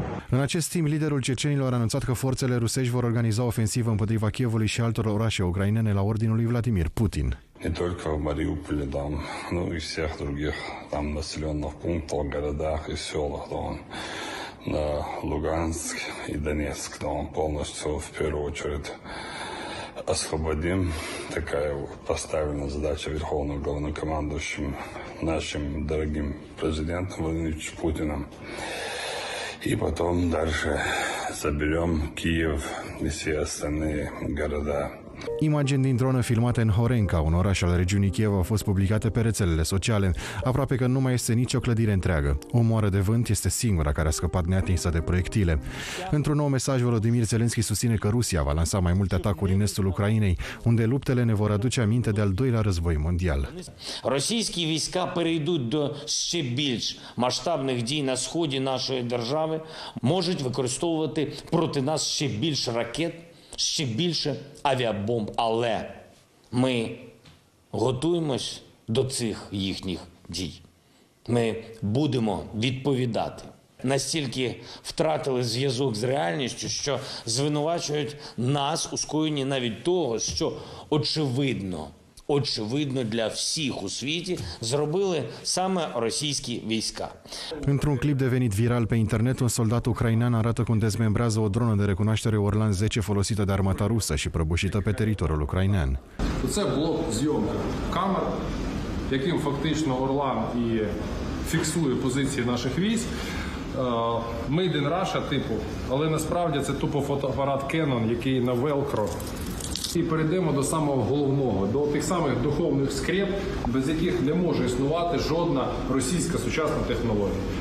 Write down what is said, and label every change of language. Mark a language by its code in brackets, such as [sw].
[ro] În acest timp, liderul cecenilor a anunțat că forțele rusești vor organiza ofensivă împotriva Kievului și altor orașe ucrainene la ordinul lui Vladimir Putin. [ru] Не только в Мариуполе, там, ну и всех других там населенных пунктов, городах и селах, да, на Луганск и Донецк, да, полностью в первую очередь освободим. Такая поставлена задача верховным главнокомандующим нашим дорогим президентом Владимиром Путиным. И потом дальше заберем Киев и все остальные города. [ro] Imagini din dronă filmate în Horenka, un oraș al regiunii Kiev, au fost publicate pe rețelele sociale. Aproape că nu mai este nicio clădire întreagă. O moară de vânt este singura care a scăpat neatinsă de proiectile. Într-un nou mesaj, Volodymyr Zelensky susține că Rusia va lansa mai multe atacuri în estul Ucrainei, unde luptele ne vor aduce aminte de al doilea război mondial. [uk] Російські війська перейдуть до ще більш масштабних дій на сході нашої держави, можуть використовувати проти нас ще більш ракет. Ще більше авіабомб, але ми готуємось до цих їхніх дій. Ми будемо відповідати. Настільки втратили зв'язок з реальністю, що звинувачують нас у скоєнні навіть того, що очевидно для всіх у світі зробили саме російські війська. [ro] Într-un clip devenit viral pe internet, un soldat ucrainean arată cum dezmembrează o dronă de recunoaștere Orlan 10 folosită de armata rusă și prăbușită pe teritoriul ucrainean. [uk] Це блок зйомки камер, яким фактично Орлан і фіксує позиції наших військ. [en] Made in Russia [uk] типу, але насправді це тупо фотоапарат Canon, який на Velcro. І перейдемо до самого головного, до тих самих духовних скреп, без яких не може існувати жодна російська сучасна технологія.